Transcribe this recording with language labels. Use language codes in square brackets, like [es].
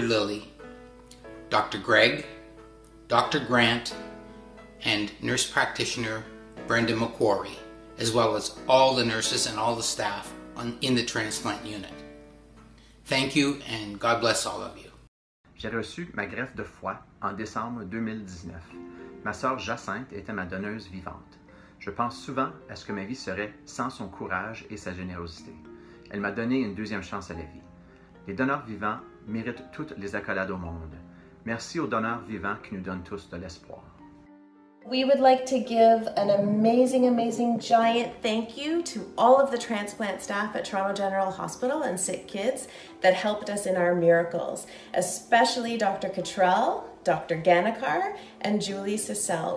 [en] Lilly, Dr. Gregg, Dr. Grant, and nurse practitioner Brenda McQuarrie, as well as all the nurses and all the staff in the transplant unit. Thank you and God bless all of you. [fr] J'ai reçu ma greffe de foie en décembre 2019. Ma sœur Jacinthe était ma donneuse vivante. Je pense souvent à ce que ma vie serait sans son courage et sa générosité. Elle m'a donné une deuxième chance à la vie. Les donneurs vivants méritent toutes les accolades au monde. Merci aux donneurs vivants qui nous donnent tous de l'espoir. [en] We would like to give an amazing, amazing, giant thank you to all of the transplant staff at Toronto General Hospital and SickKids that helped us in our miracles, especially Dr. Cottrell, Dr. Ganikar, and Julie Sissel.